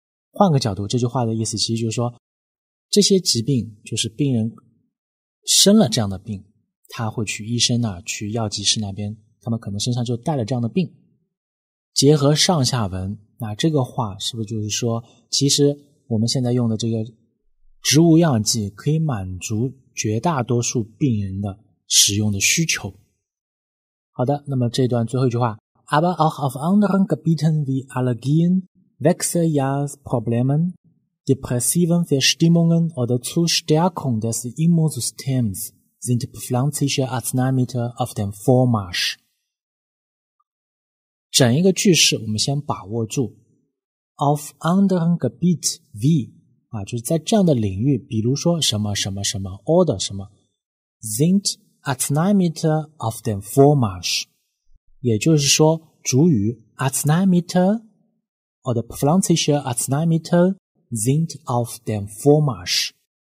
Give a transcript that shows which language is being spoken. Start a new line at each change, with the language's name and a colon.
Chinese: 换个角度，这句话的意思其实就是说，这些疾病就是病人生了这样的病，他会去医生那，去药剂师那边，他们可能身上就带了这样的病。结合上下文，那这个话是不是就是说，其实我们现在用的这个植物药剂可以满足绝大多数病人的使用的需求。好的，那么这段最后一句话，
German: Aber auch auf anderen Gebieten wie Allergien, Wechseljahrsproblemen,depressiven Verstimmungen oder zur Stärkung des Immunsystems sind pflanzliche Arzneimittel auf dem Vormarsch。
Chinese: 整一个句式我们先把握住，
German: auf anderen Gebiet wie、
Chinese: 啊、就是在这样的领域，比如说什么什么什么 oder 什么
German: sind Arzneimittel auf dem Vormarsch，
Chinese: 也就是说主语
German: Arzneimittel oder pflanzliche Arzneimittelsind auf dem Vormarsch。